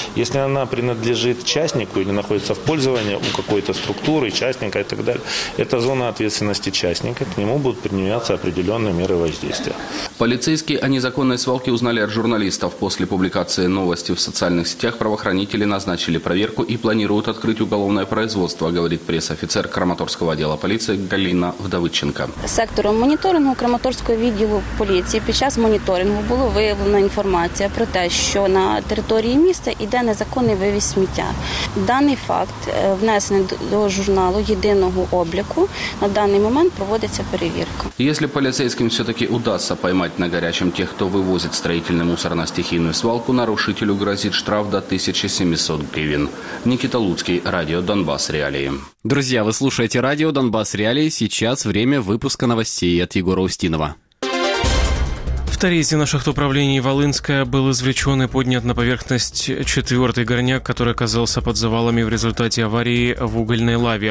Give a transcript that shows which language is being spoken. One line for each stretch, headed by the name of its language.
Russian: Если она принадлежит частнику или находится в пользовании у какой-то структуры, частника и так далее, это зона ответственности частника, к нему будут применяться определенные меры воздействия. Полицейские о незаконной свалке узнали от журналистов. После публикации новости в социальных сетях правоохранители назначили проверку и планируют открыть уголовное производство, говорит пресс-офицер Краматорского отдела полиции Галина Вдовиченко.
Ukrainian: Сектору моніторингу Краматорського відділу поліції під час моніторингу було виявлено інформація про те, що на території міста йде незаконний вивіз сміття. Даний факт внесений до журналу єдиного обліку. На даний момент проводиться перевірка. Якщо поліцейським все-таки удастся поймати на гарячим тих, хто вивозить строїтельний мусор на стихійну свалку, нарушителю грозить штраф до 1700 гривень. Никита Луцкий, Радіо Донбас, Реалії.
Russian: Друзья, вы слушаете радио «Донбасс Реалии». Сейчас время выпуска новостей от Егора Устинова. В Торезе наших управлений Волынское был извлечен и поднят на поверхность четвертый горняк, который оказался под завалами в результате аварии в угольной лаве.